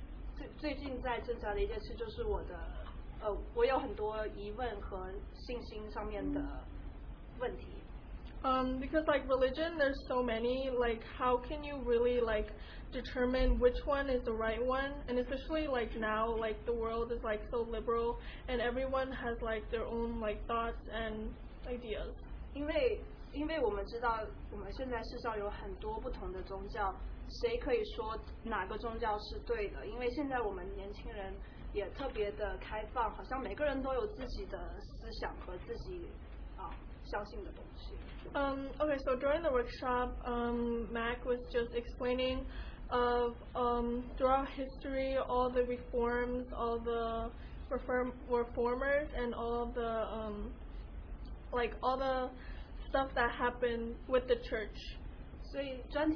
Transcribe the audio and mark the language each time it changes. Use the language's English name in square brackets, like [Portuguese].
[Chinese] 但没想到就是这一个专题真的有帮助到我的信心，因为我最近在挣扎的一件事就是我的。我有很多疑问和信心上面的问题。 [English] Because like religion, there's so many. Like, how can you really like determine which one is the right one? And especially like now, like the world is like so liberal, and everyone has like their own like thoughts and ideas. [Chinese] 因为我们知道我们现在世上有很多不同的宗教，谁可以说哪个宗教是对的？因为现在我们年轻人。也特别的开放，好像每个人都有自己的思想和自己相信的东西。 [English] Okay, so during the workshop, Mac was just explaining of throughout history, all the reforms, all the reformers, and all the like all the stuff that happened with the church.